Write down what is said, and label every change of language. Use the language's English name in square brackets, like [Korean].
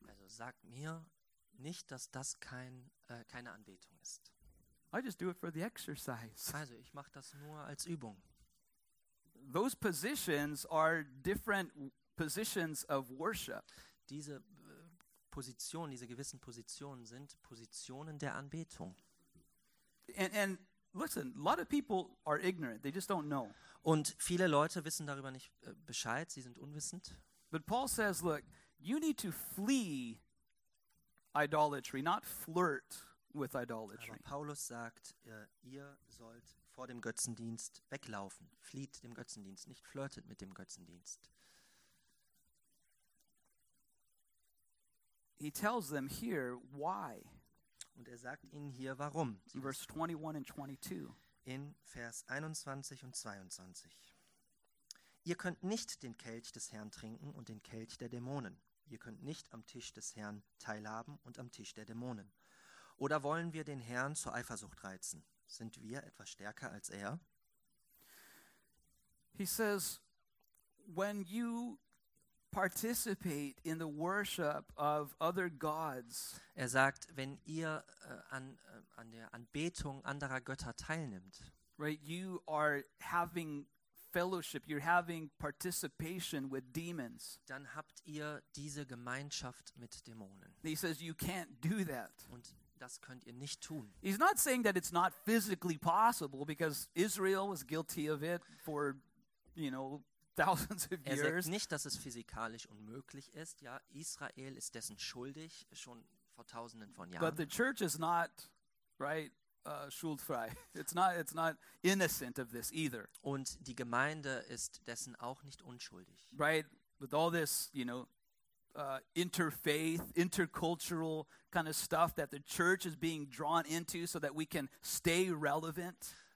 [German] Also sag mir nicht, dass das keine Anbetung ist. [English] I just do it for the exercise. [German] Also ich mache das nur als Übung. [English] Those positions are different positions of worship. [German] Diese Positionen, diese gewissen Positionen sind Positionen der Anbetung. [English] And listen, a lot of people are ignorant. They just don't know. [German] Und viele Leute wissen darüber nicht Bescheid. Sie sind unwissend. [English] But Paul says, look, you need to flee idolatry, not flirt with idolatry. [German] Aber Paulus sagt, ihr sollt vor dem Götzendienst weglaufen. Flieht dem Götzendienst, nicht flirtet mit dem Götzendienst. [English] He tells them here why. [German] Und sagt ihnen hier warum. [English] In verse 21 and 22. [German] In Vers 21 und 22. Ihr könnt nicht den Kelch des Herrn trinken und den Kelch der Dämonen. Ihr könnt nicht am Tisch des Herrn teilhaben und am Tisch der Dämonen. Oder wollen wir den Herrn zur Eifersucht reizen? Sind wir etwas stärker als er? [English] He says, when you participate in the worship of other gods. [German] Er sagt, wenn ihr an der Anbetung anderer Götter teilnimmt. [English] Right, you are having fellowship, you're having participation with demons. [German] Dann habt ihr diese Gemeinschaft mit Dämonen. [English] He says you can't do that. [German] Und das könnt ihr nicht tun. [English] He's not saying that it's not physically possible, because Israel was guilty of it for, you know, thousands of years. [German] Er sagt nicht, dass es physikalisch unmöglich ist. Ja, Israel ist dessen schuldig, schon vor tausenden von Jahren. [English] But the church is not, right? [German] Schuldfrei. [English] It's not innocent of this either. [German] Und die Gemeinde ist dessen auch nicht unschuldig. [English] Right, with all this, you know, interfaith, intercultural kind of stuff that the church is being drawn into, so that we can stay relevant.